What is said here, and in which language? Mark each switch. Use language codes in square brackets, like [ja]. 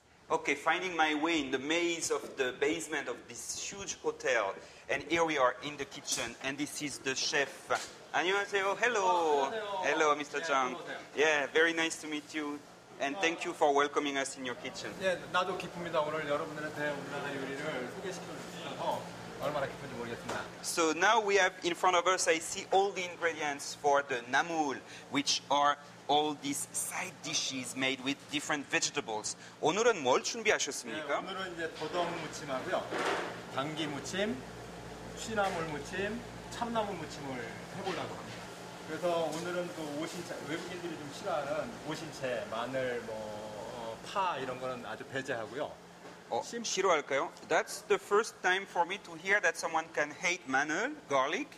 [en] Okay, finding my way in the maze of the basement of this huge hotel. And here we are in the kitchen, and this is the chef. And you want to say, oh, hello. Oh, hello, Mr. Zhang. Yeah, very nice to meet you. And thank you for welcoming us in your kitchen. [ko] Yeah, 나도 기쁩니다. 오늘 여러분들한테 우리나라 요리를 소개시켜주셔서 얼마나 기쁜지 모르겠습니다. [en] So now we have in front of us, I see all the ingredients for the namul, which are all these side dishes made with different vegetables. [ko] 오늘은 뭘 준비하셨습니까? 네, 오늘은 이제 도덕 무침하고요. 당귀 무침, 취나물 무침, 참나물 무침을 해보려고 합니다. 그래서 오늘은 또 오신채, 외국인들이 좀 싫어하는 오신채, 마늘, 뭐, 파 이런 거는 아주 배제하고요. 싫어할까요? [en] That's the first time for me to hear that someone can hate 마늘, garlic.